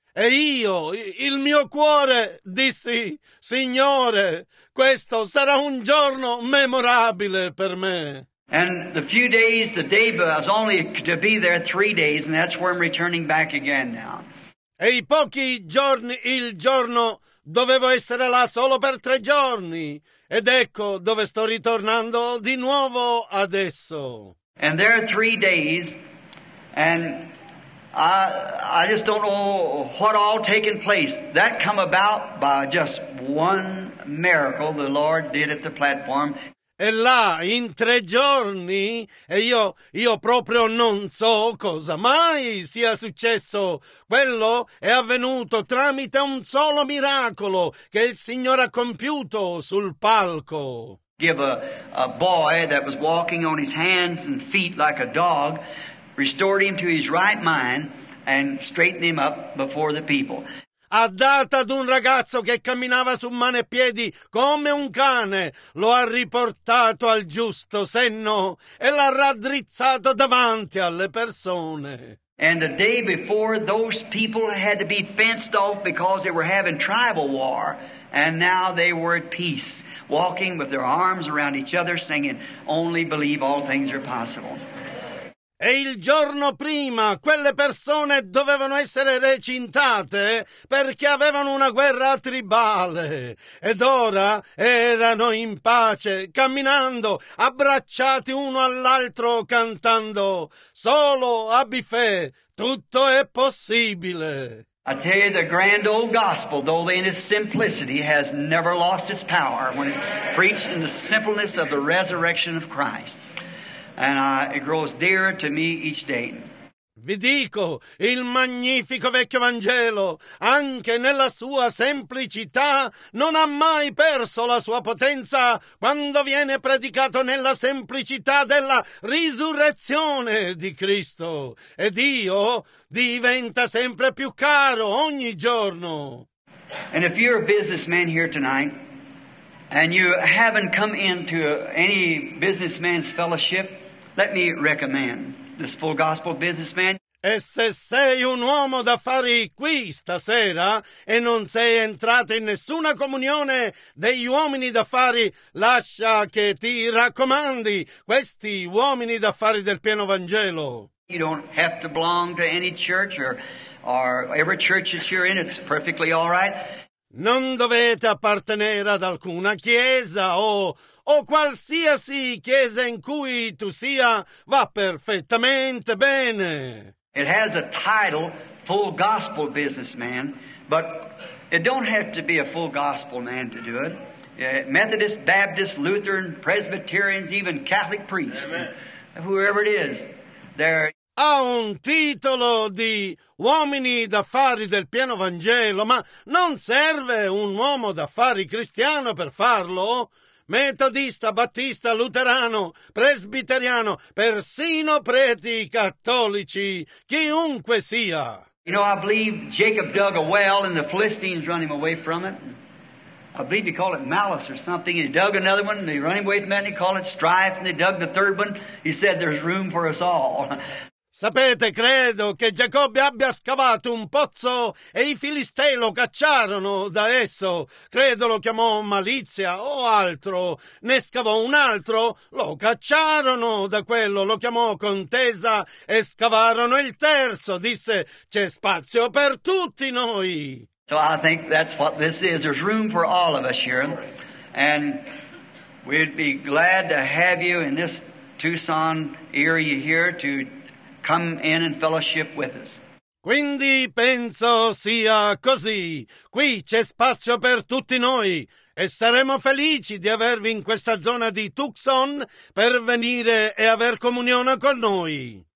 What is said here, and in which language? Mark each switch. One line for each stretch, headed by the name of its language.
Italian: E io, il mio cuore, dissi, Signore, questo sarà un giorno memorabile per me.
English: And the few days, the day, but I was only to be there 3 days, and that's where I'm returning back again now.
Italian: E i pochi giorni, il giorno, dovevo essere là solo per 3 giorni, ed ecco dove sto ritornando di nuovo adesso.
English: And there are 3 days, and I just don't know what all taken place. That come about by just one miracle the Lord did at the platform.
Italian: e là in 3 giorni, e io proprio non so cosa mai sia successo. Quello è avvenuto tramite un solo miracolo che il Signore ha compiuto sul palco.
English: Give a boy that was walking on his hands and feet like a dog, restored him to his right mind and straightened him up before the people.
Italian: Ha data ad un ragazzo che camminava su mani e piedi come un cane, lo ha riportato al giusto senno e l'ha raddrizzato davanti alle persone.
English: And the day before, those people had to be fenced off because they were having tribal war, and now they were at peace, walking with their arms around each other, singing, "Only believe, all things are possible."
Italian: E il giorno prima quelle persone dovevano essere recintate perché avevano una guerra tribale. Ed ora erano in pace, camminando, abbracciati uno all'altro, cantando, "Solo abbi fede, tutto è possibile."
English: I tell you, the grand old gospel, though in its simplicity, has never lost its power when preached in the simpleness of the resurrection of Christ. And it grows dearer to me each day.
Italian: Vi dico, il magnifico vecchio Vangelo, anche nella sua semplicità, non ha mai perso la sua potenza quando viene predicato nella semplicità della risurrezione di Cristo. E Dio diventa sempre più caro ogni giorno.
English: And if you're a businessman here tonight, and you haven't come into any businessman's fellowship, let me recommend this full gospel businessman.
Italian: E se sei un uomo d'affari qui stasera e non sei entrato in nessuna comunione degli uomini d'affari, lascia che ti raccomandi questi uomini d'affari del pieno Vangelo.
English: You don't have to belong to any church or every church that you're in, it's perfectly all right.
Italian: Non dovete appartenere ad alcuna chiesa o qualsiasi chiesa in cui tu sia, va perfettamente bene.
English: It has a title, full gospel businessman, but it don't have to be a full gospel man to do it. Methodist, Baptist, Lutheran, Presbyterians, even Catholic priests, whoever it is, they're...
Italian: Ha un titolo di uomini d'affari del pieno Vangelo, ma non serve un uomo d'affari cristiano per farlo. Metodista, battista, luterano, presbiteriano, persino preti cattolici, chiunque sia.
English: You know, I believe Jacob dug a well and the Philistines run him away from it. I believe you call it malice or something. He dug another one and they run him away from it and they call it strife and they dug the third one. He said there's room for us all.
Italian: Sapete, credo che Giacobbe abbia scavato un pozzo e i Filistei lo cacciarono da esso. Credo lo chiamò malizia o altro. Ne scavò un altro, lo cacciarono da quello, lo chiamò contesa e scavarono il terzo. Disse, c'è spazio per tutti noi.
English: So I think that's what this is. There's room for all of us here. And we'd be glad to have you in this Tucson area here to... come in and fellowship with us.
Italian: Quindi penso sia così. Qui c'è spazio per tutti noi e saremo felici di avervi in questa zona di Tucson per venire e aver comunione con noi.